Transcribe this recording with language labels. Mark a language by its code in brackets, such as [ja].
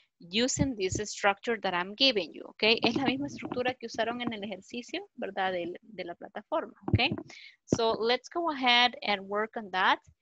[en] Using this structure that I'm giving you, okay? [es] Es la misma estructura que usaron en el ejercicio, ¿verdad? De la plataforma, okay? [en] So let's go ahead and work on that.